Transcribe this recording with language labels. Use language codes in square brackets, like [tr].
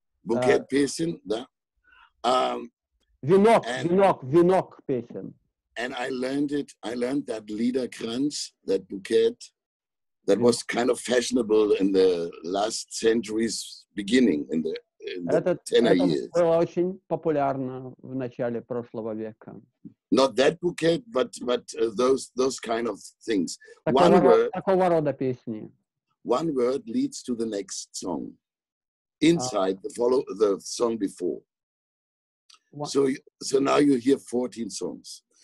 [ru] Bouquet песен, да. Венок песен. [en] And I learned that Liederkranz, that bouquet, that was kind of fashionable in the last century's beginning, in the tenor years. [ru] Это было очень популярно в начале прошлого века. [en] Not that bouquet, but those kind of things. One word leads to the next song. Inside the song before. So now you hear 14 songs.